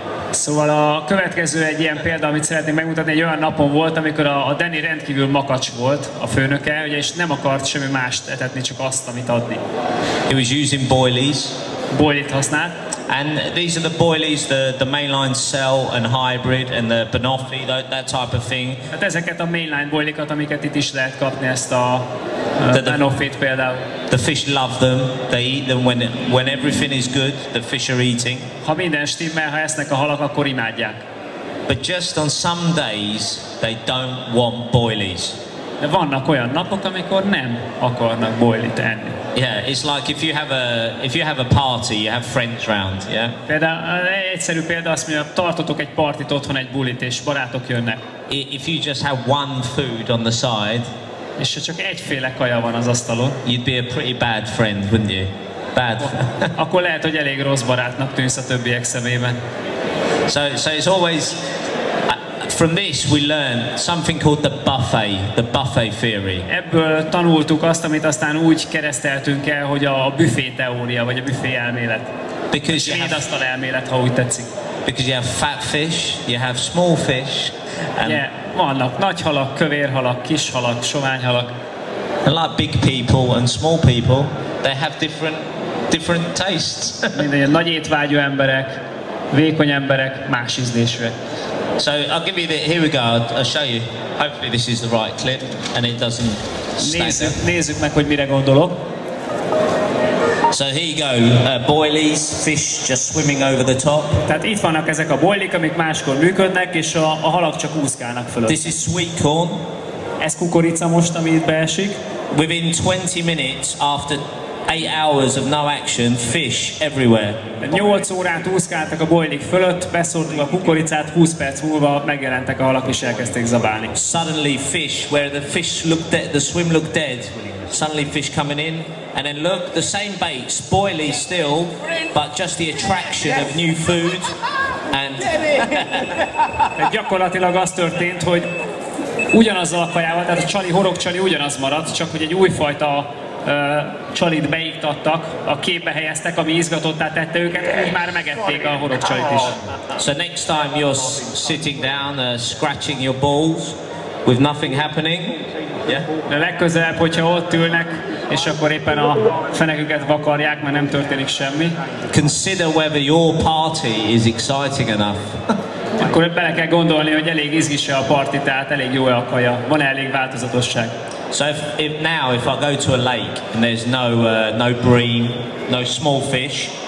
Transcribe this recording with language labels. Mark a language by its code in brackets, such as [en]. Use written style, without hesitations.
[hu] Szóval a következő egy ilyen példa, amit szeretnék megmutatni, egy olyan napon volt, amikor a Danny rendkívül makacs volt a főnöke, ugye, és nem akart semmi mást etetni, csak azt, amit adni. [en] He was using boilies. [hu] Boilit használt. [en] And these are the boilies, the mainline cell and hybrid and the banoffee, that type of thing. [hu] Hát ezeket a mainline boilikat, amiket itt is lehet kapni, ezt a banoffeet például. [en] The fish love them, they eat them when everything is good, the fish are eating. [hu] Ha minden stimmel, ha esznek a halak, akkor imádják. [en] But just on some days, they don't want boilies. [hu] De vannak olyan napok, amikor nem akarnak boilit enni. [en] Yeah, it's like if you have a party, you have friends round, yeah? [hu] Például, egyszerű példa az, hogy tartotok egy partit otthon, egy bulit, és barátok jönnek. [en] If you just have one food on the side, [hu] és ha csak egyféle kaja van az asztalon, [en] you'd be a pretty bad friend, wouldn't you? Bad. [hu] Akkor lehet, hogy elég rossz barátnak tűnsz a többiek szemében. [en] So it's always, from this we learn something called the buffet theory. [hu] Ebből tanultuk azt, amit aztán úgy kereszteltünk el, hogy a büfé teória, vagy a büfé elmélet. [en] Because [hu] a svédasztal elmélet, ha úgy tetszik. [en] Because you have fat fish, you have small fish. [hu] Yeah, vannak nagy halak, kövér halak, kis halak, sovány halak. [en] And like big people and small people, they have different tastes. [hu] Mindegy, nagy étvágyú emberek, vékony emberek, más ízlésűek. [en] So I'll give you here we go, I'll show you. Hopefully this is the right clip and it doesn't stagger. [hu] Nézzük meg, hogy mire gondolok. [en] So here you go, boilies, fish just swimming over the top. [hu] Tehát itt vannak ezek a boilik, amik máskor működnek, és a halak csak úszkálnak fölött. [en] This is sweet corn. [hu] Ez kukorica most, ami itt beesik. [en] Within 20 minutes after 8 hours of no action, fish everywhere. [hu] 8 órát úszkáltak a boilik fölött, beszórtuk a kukoricát, 20 perc múlva megjelentek a halak és elkezdték zabálni. [en] Suddenly fish, where the fish looked dead, the swim looked dead, suddenly fish coming in, and then look, the same bait, spoily still, but just the attraction of new food, and... [hu] Gyakorlatilag az történt, hogy ugyanaz a kajával, tehát a csali, horog csali ugyanaz maradt, csak hogy egy újfajta csalit beiktattak, a képbe helyeztek, ami izgatottá tette őket, úgy már megették a horog csalit is. [en] So next time you're sitting down, scratching your balls, with nothing happening, yeah? [hu] De legközelebb, hogyha ott ülnek, és akkor éppen a fenekünket vakarják, mert nem történik semmi. [en] Consider whether your party is exciting enough. [hu] Akkor bele kell gondolni, hogy elég izgis-e a parti, tehát elég jó-e a kaja, van elég változatosság. [en] So if I go to a lake and there's no bream, no small fish.